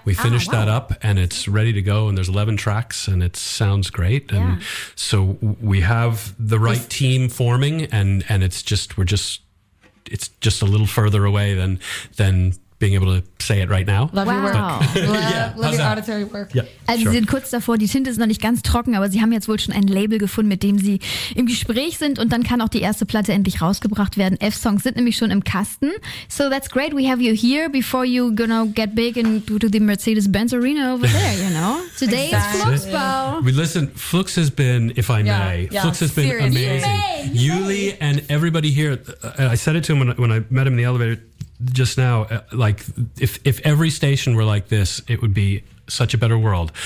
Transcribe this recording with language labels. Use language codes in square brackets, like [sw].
[en] We finished that up and it's ready to go, and there's 11 tracks and it sounds great. Yeah. And so we have the right team forming, and it's just a little further away than being able to say it right now. Love your work. Love your auditory work. Yeah, also sure. [de] Sie sind kurz davor, die Tinte ist noch nicht ganz trocken, aber Sie haben jetzt wohl schon ein Label gefunden, mit dem Sie im Gespräch sind, und dann kann auch die erste Platte endlich rausgebracht werden. F-Songs sind nämlich schon im Kasten. [en] So that's great, we have you here before you gonna get big and go to the Mercedes-Benz Arena over there, you know? Today exactly. Is Fluxbau. We listen, Flux has been, if I may, Flux has been amazing. Yuli and everybody here, I said it to him when I met him in the elevator, just now, like if every station were like this, it would be such a better world.